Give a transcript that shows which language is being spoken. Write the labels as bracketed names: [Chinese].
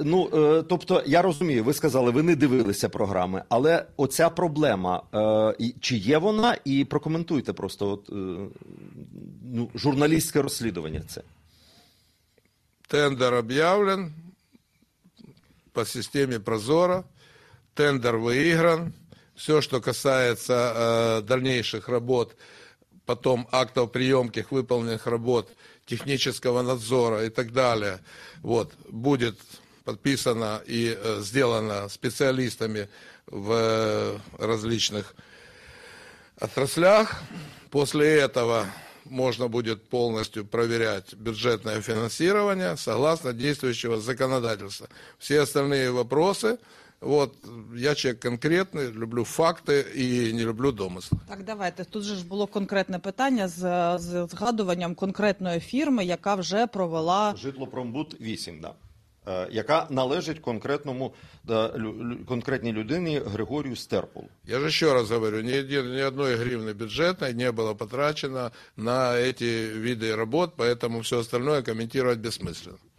[Ukrainian] Ну, тобто, я розумію, ви сказали, ви не дивилися програми, але оця проблема, чи є вона, і прокоментуйте просто от, ну, журналістське розслідування це. Тендер об'явлен по системі «Прозоро». [Russian] Тендер выигран. Все, что касается дальнейших работ, потом актов приемких выполненных работ, технического надзора и так далее, вот, будет подписано и сделано специалистами в различных отраслях. После этого можно будет полностью проверять бюджетное финансирование согласно действующего законодательства. Все остальные вопросы... Вот, я человек конкретный, люблю факты и не люблю домыслы. [Ukrainian] Так, давайте, тут же було конкретне питання з згадуванням конкретної фірми, яка вже провела... Житлопромбуд-8, так. Да. Яка належить конкретному, конкретній людині Григорію Стерпулу. Я же ще раз говорю, ні одної гривни бюджетної не було потрачено на ці види робіт, [Russian] поэтому все остальное [Ukrainian] коментувати безсмисленно.